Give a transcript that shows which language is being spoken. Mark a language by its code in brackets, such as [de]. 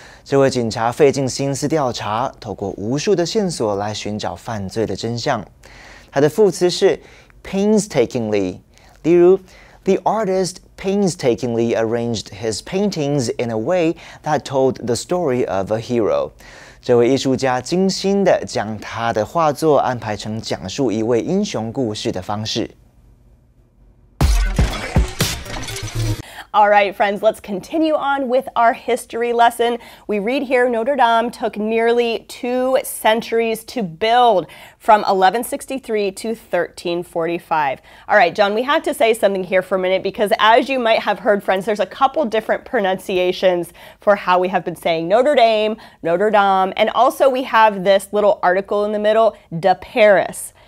[zh] 这位警察费尽心思调查，透过无数的线索来寻找犯罪的真相。他的副词是 [en] painstakingly， [zh] 例如 [en] ，The artist painstakingly arranged his paintings in a way that told the story of a hero。 [zh] 这位艺术家精心地将他的画作安排成讲述一位英雄故事的方式。 [en] All right, friends, let's continue on with our history lesson. We read here Notre Dame took nearly two centuries to build, from 1163 to 1345. All right, John, we have to say something here for a minute because as you might have heard, friends, there's a couple different pronunciations for how we have been saying Notre Dame, Notre Dame, and also we have this little article in the middle, de Paris.